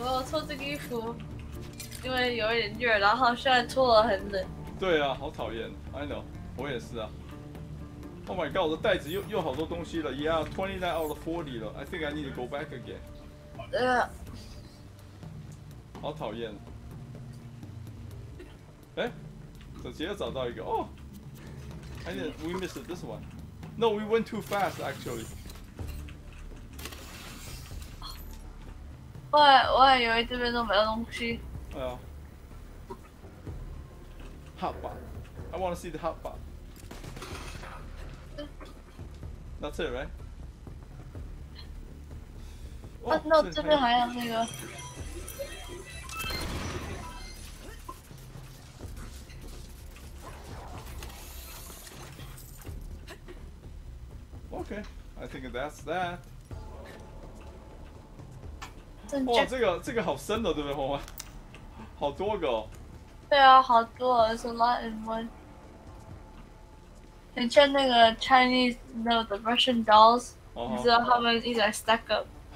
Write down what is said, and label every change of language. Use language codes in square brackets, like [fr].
[zh] 脱这个衣服，因为有点热，然后虽然脱了很冷。对啊，好讨厌。 [en] I know， [zh] 我也是啊。 [en] Oh my god， [zh] 我的袋子又好多东西了。 [en] Yeah， 29 out of 40了。I think I need to go back again。 [zh] 好讨厌。哎，直接找到一个哦。 [en] Oh， I think we missed this one。 No， we went too fast actually。 [zh] 我还以为这边都没有东西。哎呀 [en] ，hot bar， I want to see the hot bar。 That's it, right？ [zh] 啊，那这边还有那个。 [en] Okay, I think that's that。 [zh] 哇，这个好深的，对不对，红花？好多个、哦。对啊，好多、哦、， [en] It's a lot in one。 [zh] 很像那个 [en] Chinese， no， the Russian dolls， [zh] 你知道他们一直 [en] stack up。